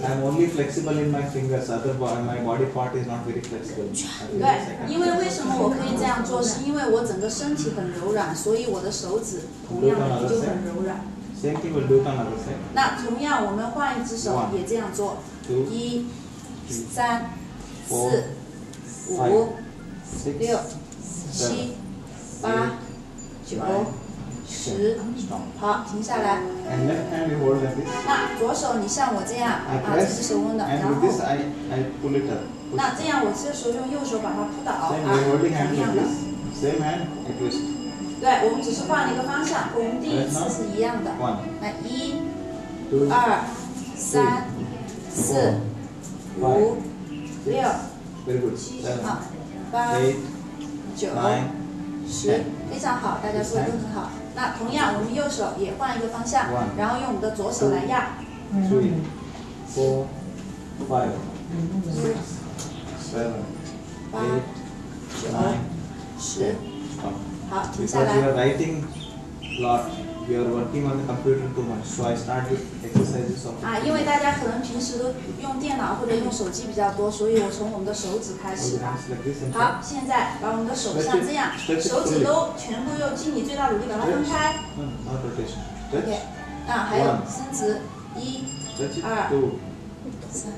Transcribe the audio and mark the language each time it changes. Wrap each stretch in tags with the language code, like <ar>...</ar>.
<en>I'm only flexible in my fingers, other part, my body part is not very flexible.</en> <zh>对，因为为什么我可以这样做，是因为我整个身体很柔软，所以我的手指同样的就很柔软。</zh> <en>Same thing will do on other side.</en> <zh>那同样，我们换一只手也这样做。一、三、四、五、六、七、八、九。十，好，停下来。</zh> <en>And left hand you hold like this.</en> <zh>那左手你像我这样</zh> <en>I press,</en> <zh>啊，这是手握的。</zh> <en>And with this I pull it up.</en> <zh>那这样我这时候用右手把它扑倒</zh> <en>Same,</en> <zh>啊，同样的。</zh> <en>Same hand like this. Same hand, I twist.</en> <zh>对，我们只是换了一个方向，我们第一次是一样的。</zh> <en>One.</en> <zh>那一、</zh> <en>two,</en> <zh>二、三、</zh> <en>three,</en> <zh>四、</zh> <en>four,</en> <zh>五、</zh> <en>six,</en> <zh>六、</zh> <en>very good,</en> <zh>七、</zh> <en>seven,</en> <zh>八、</zh> <en>eight,</en> <zh>九、</zh> <en>nine,</en> <zh>十，非常好，大家做得很好。那同样，我们右手也换一个方向，</zh> <en>One,</en> <zh>然后用我们的左手来压。</zh> <en>Three, four, five, six, seven, eight, nine,</en> <zh>十。好，停下来。</zh> <en>Because you are writing lot, you are working on the computer too much, so I start with exercises of.</en> <zh>啊，因为大家可能平时都用电脑或者用手机比较多，所以我从我们的手指开始。好，现在把我们的手像这样，手指都全部用尽你最大努力把它分开。</zh> <en>嗯 ，not rotation.</en> <zh>OK. 那还有伸直，一、二、三、</zh>